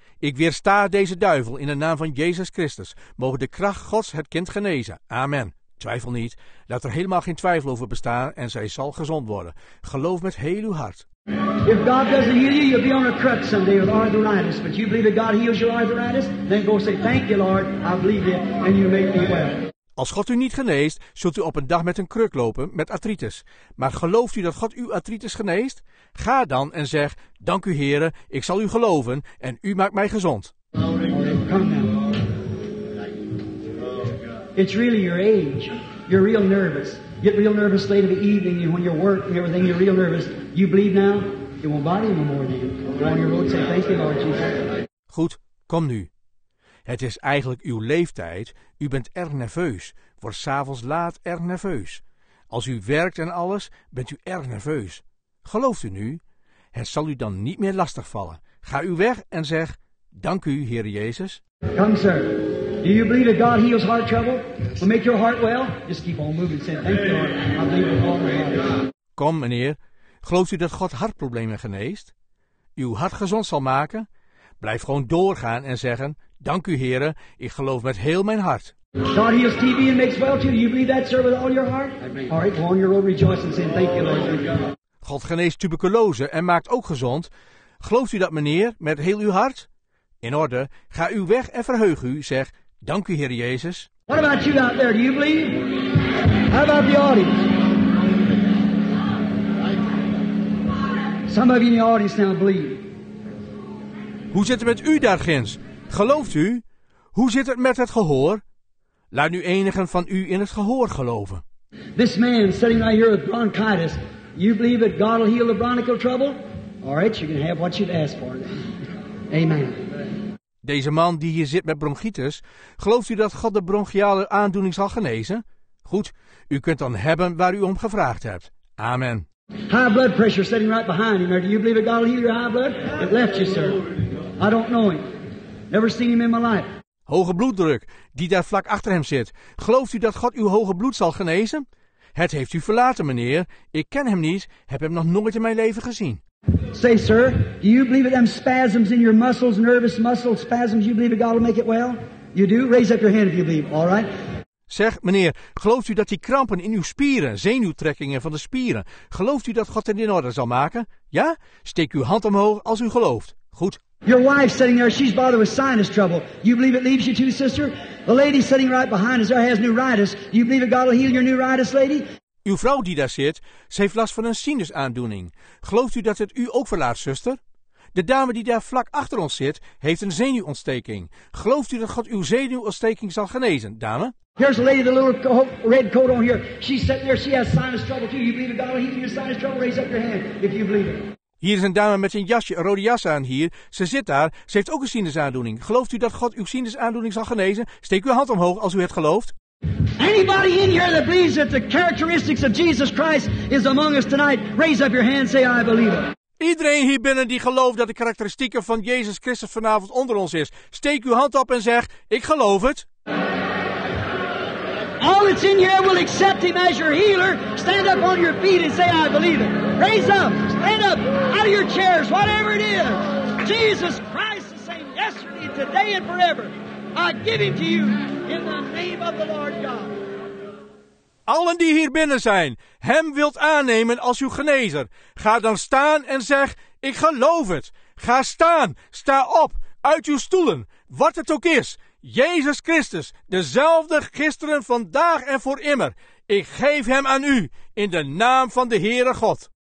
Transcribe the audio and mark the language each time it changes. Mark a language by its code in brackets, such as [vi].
[nl] Ik weersta deze duivel in de naam van Jezus Christus. Mogen de kracht Gods het kind genezen. Amen. Twijfel niet. Laat er helemaal geen twijfel over bestaan en zij zal gezond worden. Geloof met heel uw hart. [en] If God doesn't heal you, you'll be on a crutch someday with arthritis. But you believe that God heals your arthritis? Then go say, thank you, Lord. I believe it and you make me well. [nl] Als God u niet geneest, zult u op een dag met een kruk lopen met artritis. Maar gelooft u dat God uw artritis geneest? Ga dan en zeg, dank u, Heere, ik zal u geloven en u maakt mij gezond. [en] Come now. It's really your age. You're real nervous. Get real nervous late in the evening when you're work and everything. You're real nervous. You bleed now. It won't bother you no more then. Go on your road and say thank you, Lord Jesus. [nl] Goed, kom nu. Het is eigenlijk uw leeftijd. U bent erg nerveus. Wordt 's avonds laat erg nerveus. Als u werkt en alles, bent u erg nerveus. Gelooft u nu? Het zal u dan niet meer lastig vallen. Ga uw weg en zeg, dank u, Heer Jezus. [en] Come, sir. Do you believe that God heals heart trouble? Will make your heart well? Just keep on moving. Say, thank you, Lord. I believe with all my heart. [nl] Kom, meneer. Gelooft u dat God hartproblemen geneest? Uw hart gezond zal maken? Blijf gewoon doorgaan en zeggen, dank u, Heere, ik geloof met heel mijn hart. [en] God heals TB and makes well too. You believe that, sir, with all your heart? All right, go on your road, rejoice and say, thank you, Lord. [nl] God geneest tuberculose en maakt ook gezond. Gelooft u dat, meneer, met heel uw hart? In orde, ga uw weg en verheug u, zeg, dank u, Heer Jezus. [en] What about you out there? Do you believe? How about the audience? Some of you in the audience now believe. [nl] Hoe zit het met u daar ginds? Gelooft u? Hoe zit het met het gehoor? Laat nu enigen van u in het gehoor geloven. [en] This man sitting right here with bronchitis. You believe that God will heal the bronchial trouble? All right, you can have what you've asked for. Amen. [nl] Deze man die hier zit met bronchitis, gelooft u dat God de bronchiale aandoening zal genezen? Goed, u kunt dan hebben waar u om gevraagd hebt. Amen. [en] High blood pressure sitting right behind him. Do you believe that God will heal your high blood? It left you, sir. I don't know him. Never seen him in my life. [nl] Hoge bloeddruk, die daar vlak achter hem zit. Gelooft u dat God uw hoge bloed zal genezen? Het heeft u verlaten, meneer. Ik ken hem niet, heb hem nog nooit in mijn leven gezien. [en] Say, sir, do you believe that them spasms in your muscles, nervous muscles, spasms, you believe that God will make it well? You do? Raise up your hand if you believe, all right? [nl] Zeg, meneer, gelooft u dat die krampen in uw spieren, zenuwtrekkingen van de spieren, gelooft u dat God het in orde zal maken? Ja? Steek uw hand omhoog als u gelooft. Goed. [en] Your wife sitting there, she's bothered with sinus trouble. You believe it leaves you too, sister? The lady sitting right behind us, there has neuritis. Do you believe that God will heal your neuritis, lady? [nl] Uw vrouw die daar zit, ze heeft last van een sinusaandoening. Gelooft u dat het u ook verlaat, zuster? De dame die daar vlak achter ons zit, heeft een zenuwontsteking. Gelooft u dat God uw zenuwontsteking zal genezen, dame? [en] Here's a lady with a little red coat on here. She's sitting there, she has sinus trouble too. You believe that God will heal your sinus trouble? Raise up your hand if you believe it. [nl] Hier is een dame met een jasje, een rode jas aan hier. Ze zit daar, ze heeft ook een sinusaandoening. Gelooft u dat God uw sinusaandoening zal genezen? Steek uw hand omhoog als u het gelooft. [en] Anybody in here that believes that the characteristics of Jesus Christ is among us tonight, raise up your hand, say I believe it. [nl] Iedereen hier binnen die gelooft dat de karakteristieken van Jezus Christus vanavond onder ons is, steek uw hand op en zeg, ik geloof het. [en] All that's in here will accept him as your healer. Stand up on your feet and say, I believe it. Raise up, stand up, out of your chairs, whatever it is. Jesus Christ is saying yesterday, today and forever. I give him to you in the name of the Lord God. [nl] Allen die hier binnen zijn, hem wilt aannemen als uw genezer. Ga dan staan en zeg, ik geloof het. Ga staan, sta op, uit uw stoelen, wat het ook is. Jezus Christus, dezelfde gisteren, vandaag en voor immer. Ik geef hem aan u, in de naam van de Heere God.